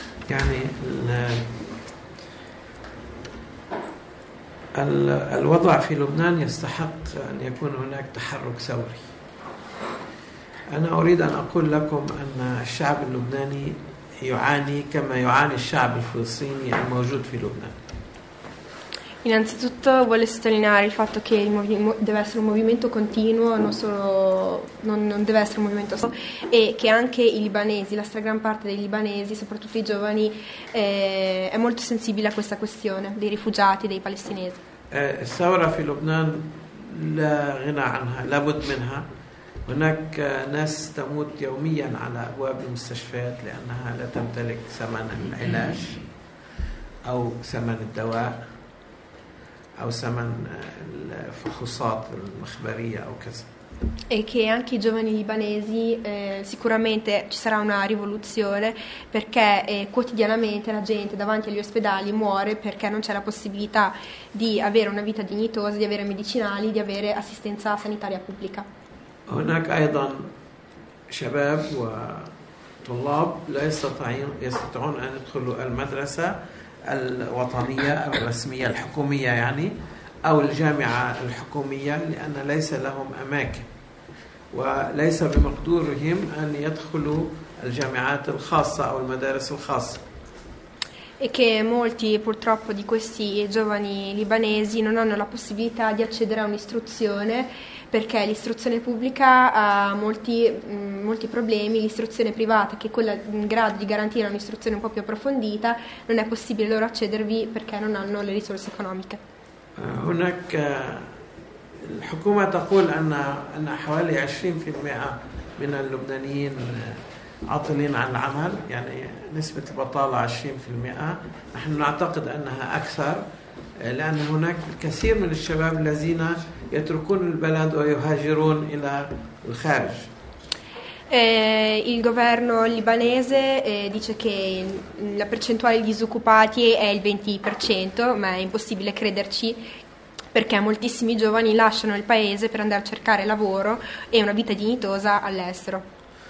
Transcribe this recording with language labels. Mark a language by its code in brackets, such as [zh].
[ar] يعني الوضع في لبنان يستحق أن يكون هناك تحرك ثوري. أنا أريد أن أقول لكم أن الشعب اللبناني يعاني كما يعاني الشعب الفلسطيني الموجود في لبنان. [it] Innanzitutto voglio sottolineare il fatto che deve essere un movimento continuo, non deve essere un movimento solo, e che anche i libanesi, la stragrande parte dei libanesi, soprattutto i giovani, è molto sensibile a questa questione dei rifugiati, dei palestinesi. [ar] الثورة في لبنان لا غنى عنها, لابد منها. هناك ناس تموت يوميا على أبواب المستشفيات لأنها لا تمتلك ثمن العلاج أو ثمن الدواء أو ثمن الفحوصات المخبرية أو كذا. [it] E che anche i giovani libanesi sicuramente ci sarà una rivoluzione, perché quotidianamente la gente davanti agli ospedali muore perché non c'è la possibilità di avere una vita dignitosa, di avere medicinali, di avere assistenza sanitaria pubblica. [ar] هناك أيضا شباب وطلاب لا يستطيعون أن يدخلوا المدرسة الوطنية الرسمية الحكومية يعني أو الجامعة الحكومية لأن ليس لهم أماكن وليس بمقدورهم أن يدخلوا الجامعات الخاصة أو المدارس الخاصة. [it] E che molti purtroppo di questi giovani libanesi non hanno la possibilità di accedere a un'istruzione, perché l'istruzione pubblica ha molti problemi, l'istruzione privata, che è quella in grado di garantire un'istruzione un po' più approfondita, non è possibile loro accedervi perché non hanno le risorse economiche. [ar] هناك الحكومة تقول أن حوالي 20% من اللبنانيين عاطلين عن العمل, يعني نسبة البطالة 20%. نحن نعتقد أنها أكثر لأن هناك الكثير من الشباب الذين يتركون البلد ويهاجرون إلى الخارج. [it] Il governo libanese dice che la percentuale di disoccupati è il 20%, ma è impossibile crederci, perché moltissimi giovani lasciano il paese per andare a cercare lavoro e una vita dignitosa all'estero.